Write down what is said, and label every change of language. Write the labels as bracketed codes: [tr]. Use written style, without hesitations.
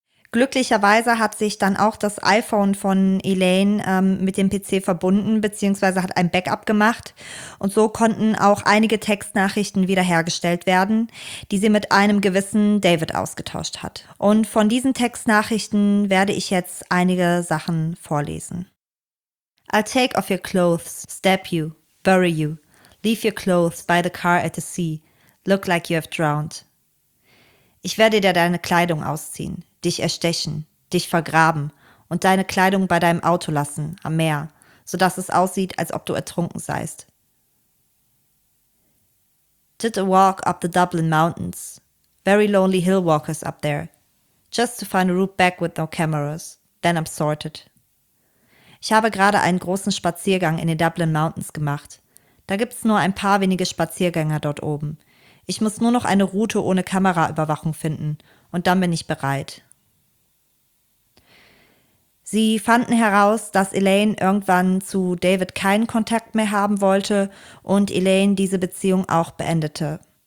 [de] Glücklicherweise hat sich dann auch das iPhone von Elaine mit dem PC verbunden, beziehungsweise hat ein Backup gemacht. Und so konnten auch einige Textnachrichten wiederhergestellt werden, die sie mit einem gewissen David ausgetauscht hat. Und von diesen Textnachrichten werde ich jetzt einige Sachen vorlesen. [en] I'll take off your clothes, stab you, bury you, leave your clothes by the car at the sea, look like you have drowned. [de] Ich werde dir deine Kleidung ausziehen. Dich erstechen, dich vergraben und deine Kleidung bei deinem Auto lassen, am Meer, sodass es aussieht, als ob du ertrunken seist. [en] Did a walk up the Dublin Mountains. Very lonely hill walkers up there. Just to find a route back with no cameras. Then I'm sorted. [de] Ich habe gerade einen großen Spaziergang in den Dublin Mountains gemacht. Da gibt's nur ein paar wenige Spaziergänger dort oben. Ich muss nur noch eine Route ohne Kameraüberwachung finden. Und dann bin ich bereit. Sie fanden heraus, dass Elaine irgendwann zu David keinen Kontakt mehr haben wollte und Elaine diese Beziehung auch beendete.